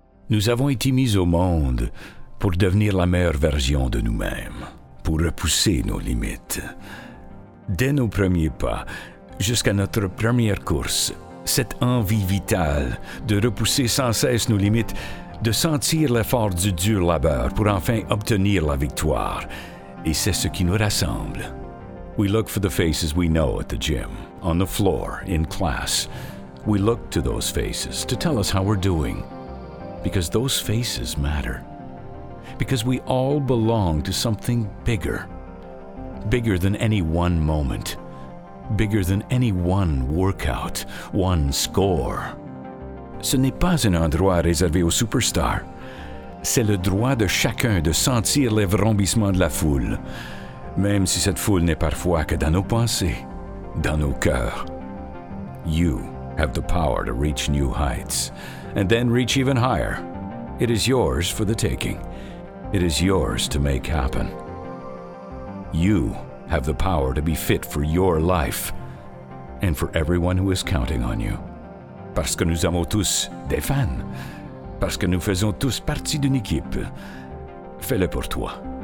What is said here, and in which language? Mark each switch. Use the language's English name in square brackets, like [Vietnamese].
[French] Nous avons été mis au monde pour devenir la meilleure version de nous-mêmes, pour repousser nos limites. Dès nos premiers pas, jusqu'à notre première course, cette envie vitale de repousser sans cesse nos limites, de sentir l'effort du dur labeur pour enfin obtenir la victoire. Et c'est ce qui nous rassemble. [English] We look for the faces we know at the gym, on the floor, in class. We look to those faces to tell us how we're doing. Because those faces matter. Because we all belong to something bigger. Bigger than any one moment. Bigger than any one workout, one score. [French] Ce n'est pas un endroit réservé aux superstars. C'est le droit de chacun de sentir les vrombissements de la foule, même si cette foule n'est parfois que dans nos pensées, dans nos cœurs. [English] You have the power to reach new heights, and then reach even higher. It is yours for the taking. It is yours to make happen. You have the power to be fit for your life and for everyone who is counting on you. [French] Parce que nous avons tous des fans, parce que nous faisons tous partie d'une équipe, fais-le pour toi.